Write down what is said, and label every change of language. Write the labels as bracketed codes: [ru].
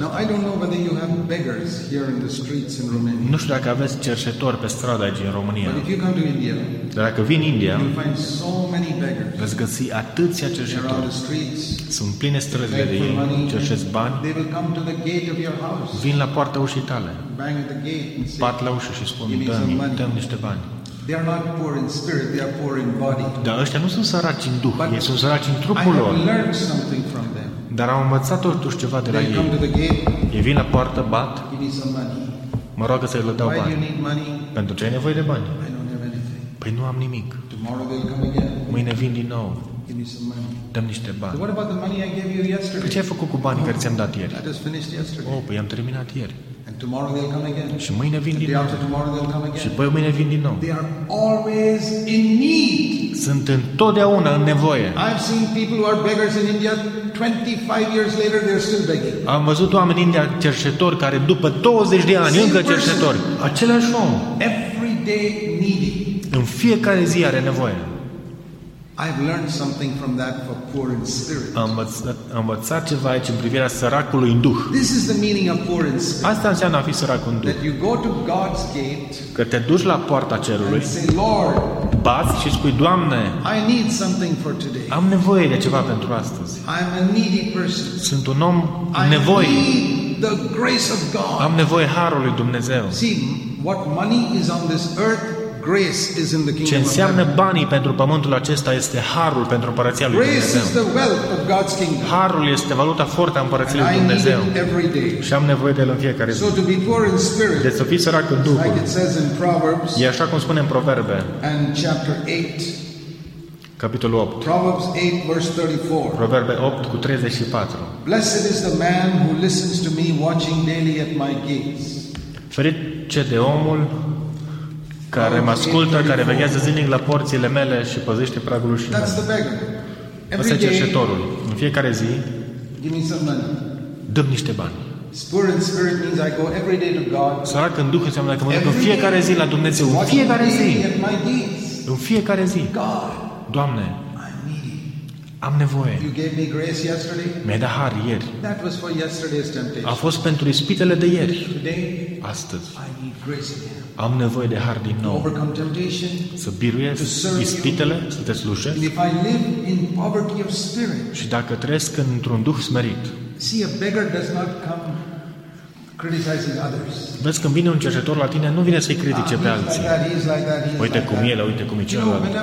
[en] Now, I don't know whether you have beggars here in the streets in Romania. [ro] Nu știu dacă aveți cerșetori pe stradă aici în România. [en] But if you come to India, [ro] dar dacă vii în India, [en] you find so many beggars. [ro] Veți găsi atâția cerșetori. [en] The streets, [ro] sunt pline străzile de ei, cerșesc bani. [en] They will come to the gate of your house. [ro] Vin la poarta ușii tale. [en] Bang at the gate and say, [ro] bat la ușă și spun, dă-mi niște bani. [en] They are not poor in spirit, they are poor in body. [ro] Dar ăștia nu sunt săraci în duh, ei sunt săraci în trupul lor. [en] I have learned something from them. [ro] Dar am învățat totuși ceva de la [en] they [ro] ei. Ei vin la poartă, bat, mă roagă să-i le dau bani. Pentru ce ai nevoie de bani? Păi nu am nimic. Mâine vin din nou. Dăm niște bani. [en] So what about the money I gave you yesterday? [ro] Păi ce ai făcut cu banii care ți-am dat ieri? [en] I just finished yesterday. [ro] Oh, păi am terminat ieri. [en] And tomorrow they'll come again. [ro] Și mâine vin [en] and [ro] din nou. [en] Tomorrow they'll come again. [ro] Și păi mâine vin din nou. [en] They are always in need. [ro] Sunt întotdeauna în nevoie. [en] I've seen people who are beggars in India. 25 years later they're still begging. [ro] Am văzut oameni în India cerșetori care după 20 de ani încă cerșetori. Același om. [en] Every day needy. [ro] În fiecare zi are nevoie. [en] I've learned something from that for poor in spirit. [ro] Am învățat ceva aici în privirea săracului în duh. [en] This is the meaning of poor in spirit. [ro] Asta înseamnă a fi sărac în duh. [en] That you go to God's gate. [ro] Că te duci la poarta cerului. [en] And say, Lord, [ro] bați și spui, Doamne, [en] I need something for today. [ro] Am nevoie de ceva pentru astăzi. [en] I'm a needy person. [ro] Sunt un om nevoie. [en] I need the grace of God. [ro] Am nevoie harul lui Dumnezeu. [en] See, what money is on this earth, grace is in the kingdom. [ro] Ce înseamnă banii pentru pământul acesta este harul pentru împărăția lui Dumnezeu. [en] Grace is the wealth of God's kingdom. [ro] Harul este valuta fortă a împărăției lui Dumnezeu. Și am nevoie de el în fiecare zi. [en] So to be poor in spirit. [ro] Deci să fii sărac în duh. [en] Like it says in Proverbs. [ro] E așa cum spune în Proverbe. [en] And chapter 8. [ro] Capitolul 8. [en] Proverbs 8 verse 34. [ro] Proverbe 8 cu 34. [en] Blessed is the man who listens to me, watching daily at my gates. [ro] Ferice de omul care mă ascultă, care veghează zilnic la porțile mele și păzește pragul ușii mele. [en] That's the beggar. [ro] Asta e cerșetorul. În fiecare zi, [en] give me some money. [ro] Dă-mi niște bani. [en] Poor in spirit means I go every day to God. [ro] Sărac în duh înseamnă că mă duc în fiecare zi la Dumnezeu. În fiecare zi. În fiecare zi. Doamne, am nevoie. [en] You gave me grace yesterday. [ro] Mi-ai dat har ieri. [en] That was for yesterday's temptation. [ro] A fost pentru ispitele de ieri. [en] Today, [ro] astăzi. [en] I need grace again. [ro] Am nevoie de har din nou. [en] To overcome temptation, [ro] să biruiesc ispitele, să te slujesc. [en] And if I live in poverty of spirit, [ro] și dacă trăiesc într-un duh smerit. [en] See, a beggar does not come criticizing others. [ro] Vezi, când vine un cerșetor la tine, nu vine să-i critique pe alții. Uite cum e, uite cum e celălalt.